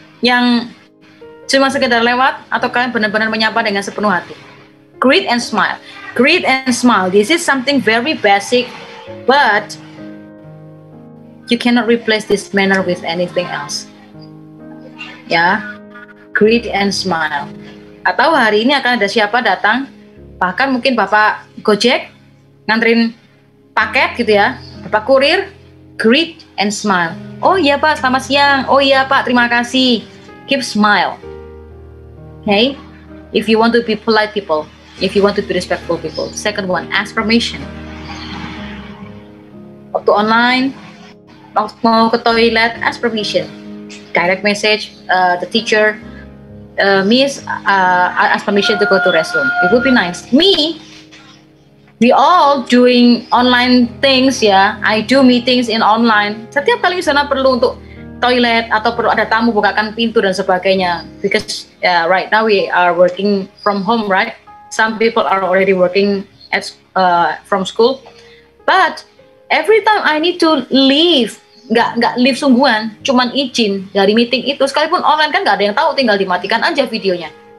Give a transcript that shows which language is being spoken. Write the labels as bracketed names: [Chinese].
[Indonesian] Yang cuma sekedar lewat atau kalian benar-benar menyapa dengan sepenuh hati? [English] Greet and smile. Greet and smile. This is something very basic, but you cannot replace this manner with anything else. Ya. Greet and smile. [Indonesian] Atau hari ini akan ada siapa datang? Bahkan mungkin Bapak Gojek nganterin paket gitu ya. Bapak kurir, greet and smile. Oh iya Pak, selamat siang. Oh iya Pak, terima kasih. Keep smile. Okay? [English] If you want to be polite people, if you want to be respectful people. Second one, ask permission. [Indonesian] Waktu online, waktu mau ke toilet, ask permission. [English] Direct message, the teacher, miss, I ask permission to go to restroom. It would be nice. Me, we all doing online things ya. Yeah. I do meetings in online. [Indonesian] Setiap kali misalnya perlu untuk toilet atau perlu ada tamu bukakan pintu dan sebagainya. [English] Because right now we are working from home, right? Some people are already working at from school, but every time I need to leave, nggak leave sungguhan, cuman izin dari meeting itu, sekalipun online kan nggak ada yang tahu, tinggal dimatikan aja videonya.